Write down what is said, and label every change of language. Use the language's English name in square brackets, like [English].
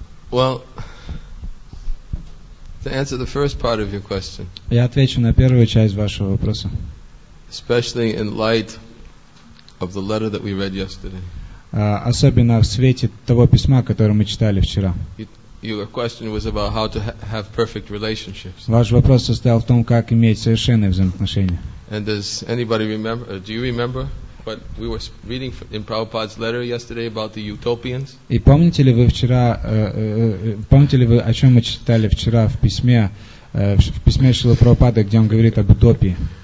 [English] Well, to answer the first part of your question. [Russian] Я отвечу на первую часть вашего вопроса. [English] Especially in light of the letter that we read yesterday. [Russian] Особенно в свете того письма, которое мы читали вчера. [English] Your question was about how to have perfect relationships. [Russian] Ваш вопрос состоял в том, как иметь совершенные взаимоотношения. [English] And does anybody remember? Do you remember? But we were reading in Prabhupada's letter yesterday about the utopians. [Russian] И помните ли вы вчера, помните ли вы, о чем мы читали вчера в письме Шрилы Прабхупады, где он говорит об утопии?